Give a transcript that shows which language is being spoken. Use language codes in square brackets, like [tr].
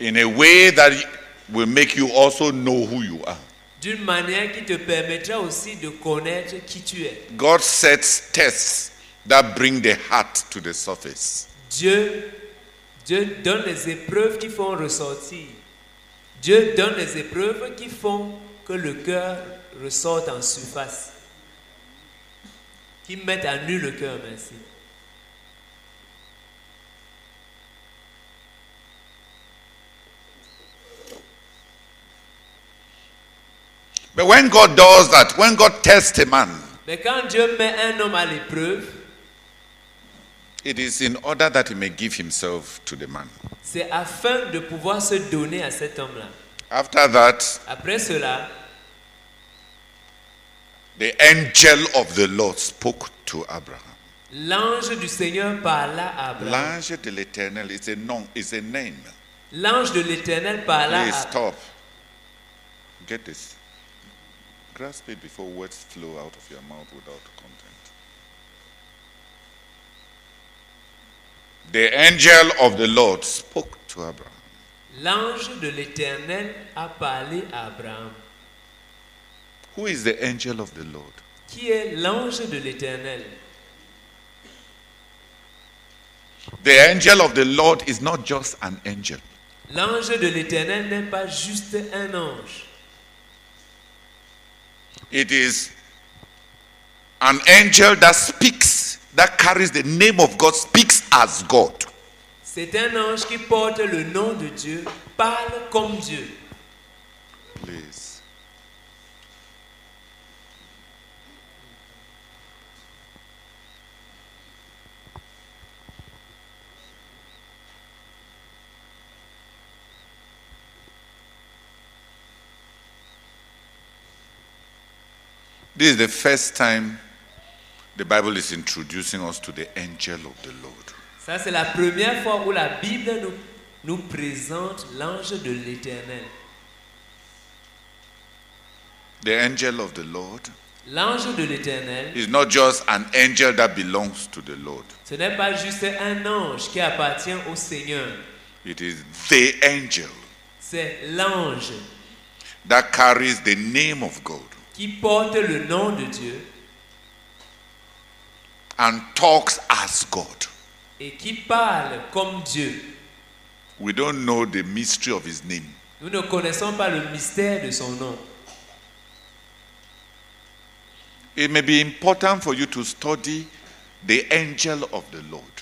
[en] In a way that will make you also know who you are. [fr] D'une manière qui te permettra aussi de connaître qui tu es. [en] God sets tests that bring the heart to the surface. [fr] Dieu donne les épreuves qui font ressortir. Dieu donne les épreuves qui font que le cœur ressorte en surface. Qui mettent à nu le cœur, merci. [en] But when God does that, when God tests a man, [fr] mais quand Dieu met un homme à l'épreuve, [en] it is in order that he may give himself to the man. [fr] C'est afin de pouvoir se donner à cet homme-là. [en] After that, [fr] après cela, [en] the angel of the Lord spoke to Abraham. [fr] L'ange du Seigneur parla à Abraham. L'ange de l'Éternel [en] is a nom, is a name. [fr] L'ange de l'Éternel parla. [en] Please stop. Get this. Grasp it before words flow out of your mouth without content. The angel of the Lord spoke to Abraham. [fr] L'ange de l'Éternel a parlé à Abraham. [en] Who is the angel of the Lord? [fr] Qui est l'ange de l'Éternel? [en] The angel of the Lord is not just an angel. [fr] L'ange de l'Éternel n'est pas juste un ange. [en] It is an angel that speaks, that carries the name of God, speaks as God. [fr] C'est un ange qui porte le nom de Dieu, parle comme Dieu. [en] Please. This is the first time the Bible is introducing us to the angel of the Lord. [fr] Ça c'est la première fois où la Bible nous présente l'ange de l'Éternel. [en] The angel of the Lord. [fr] L'ange de l'Éternel. [en] Is not just an angel that belongs to the Lord. [fr] Ce n'est pas juste un ange qui appartient au Seigneur. [en] It is the angel. [fr] C'est l'ange. [en] That carries the name of God. [fr] Qui porte le nom de Dieu [en] and talks as God. [fr] Et qui parle comme Dieu. [en] We don't know the mystery of his name. [fr] Nous ne connaissons pas le mystère de son nom. [en] It may be important for you to study the angel of the Lord.